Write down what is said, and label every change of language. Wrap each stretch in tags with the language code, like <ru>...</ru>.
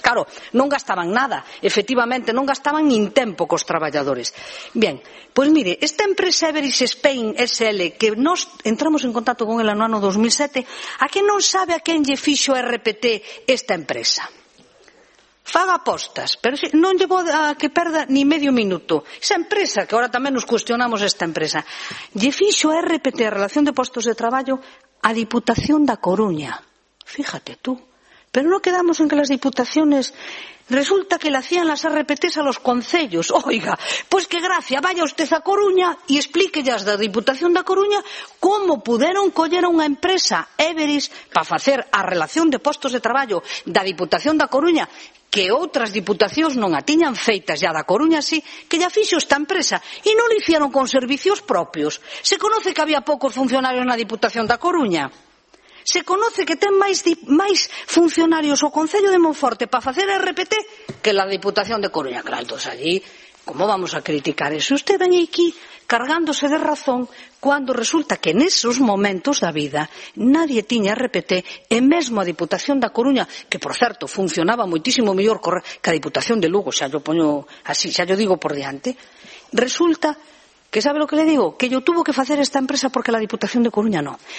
<gl>Claro, non gastaban nada, efectivamente, non gastaban nin tempo cos traballadores.</gl> <es>Bien, pues mire,</es> <gl>esta empresa Everis Spain SL, que nos entramos en contacto con ela no ano 2007, a que non sabe a quen lle fixo a RPT esta empresa. Faga apostas, pero non llevo a que perda ni medio minuto. Esa empresa, que ahora tamén nos cuestionamos esta empresa, lle fixo a RPT, a Relación de Postos de Traballo, a Diputación da Coruña.</gl> <es>Fíjate tú.</es> <gl>Pero non quedamos en que</gl> <es>las diputaciones... Resulta que le hacían las RPTs a los concellos. Oiga, pues qué gracia, vaya usted a Coruña y explique ya a la Diputación de Coruña cómo pudieron coller a una empresa, Everis, para hacer a relación de puestos de trabajo de la Diputación de Coruña, que otras diputaciones no la tenían feitas ya de Coruña, sí, que ya fixo esta empresa y no lo hicieron con servicios propios. Se conoce que había pocos funcionarios en la Diputación de Coruña.</es> <gl>Se conoce que ten máis funcionarios o Concello de Monforte para facer RPT que la Diputación de Coruña.</gl> <es>Claro, entonces allí, ¿cómo vamos a criticar eso?</es> <gl>Usted ven aquí cargándose de razón cuando</gl> <es>resulta que en esos momentos da vida nadie tiña RPT e mesmo a Diputación da Coruña, que por certo funcionaba moitísimo mellor que a Diputación de Lugo, xa yo poño así, xa yo digo por diante, resulta que sabe lo que le digo, que yo tuvo que hacer esta empresa porque la Diputación de Coruña no.</es>